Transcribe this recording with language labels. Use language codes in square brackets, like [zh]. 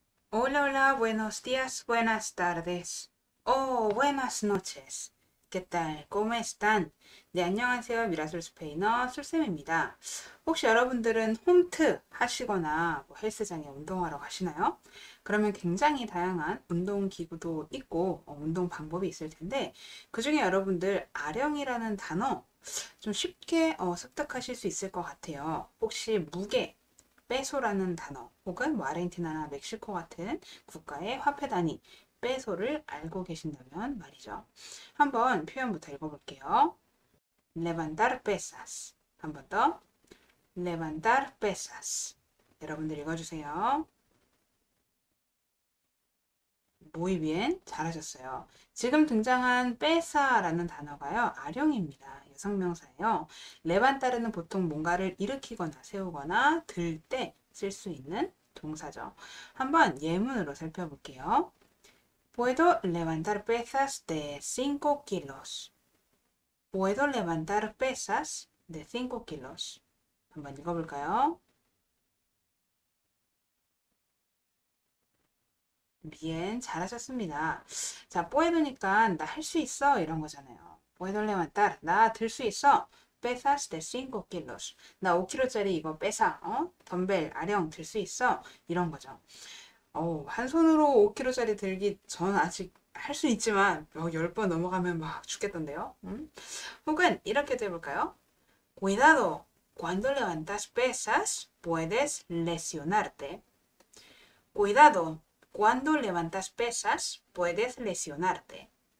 [es] Hola, hola, buenos días, buenas tardes. Oh, buenas noches. ¿Qué tal? ¿Cómo están? [ko] 네, 안녕하세요. 미라솔 스페인어 솔쌤입니다. 혹시 여러분들은 홈트 하시거나 뭐 헬스장에 운동하러 가시나요? 그러면 굉장히 다양한 운동 기구도 있고, 운동 방법이 있을 텐데, 그 중에 여러분들 아령이라는 단어 좀 쉽게 습득하실 수 있을 것 같아요. 혹시 무게, 빼소라는 단어, 혹은 뭐 아르헨티나나 멕시코 같은 국가의 화폐 단위, 빼소를 알고 계신다면 말이죠. 한번 표현부터 읽어볼게요. [es] Levantar pesas. [ko] 한번 더. [es] Levantar pesas. [ko] 여러분들 읽어주세요. [es] Muy bien. [ko] 잘하셨어요. 지금 등장한 pesa라는 단어가요, 아령입니다. 여성명사예요. 레반따르는 보통 뭔가를 일으키거나 세우거나 들때쓸수 있는 동사죠. 한번 예문으로 살펴볼게요. [es] Puedo levantar pesas de 5 kilos. Puedo levantar pesas de 5 kilos. [ko] 한번 읽어볼까요? Bien, 잘하셨습니다. 자, puedo니까 나할수 있어 이런 거잖아요. [es] Puedo levantar. [ko] 나들수 있어. [es] Pesas de 5 kilos. [ko] 나 5kg짜리 이거 뺏어. 어? 덤벨, 아령 들수 있어. 이런 거죠. 어우, 한 손으로 5kg짜리 들기 전 아직 할수 있지만 10번 넘어가면 막 죽겠던데요. 응? 혹은 이렇게도 해볼까요? [es] Cuidado. Cuando levantas pesas, puedes lesionarte. Cuidado. Cuando levantas pesas, puedes lesionarte.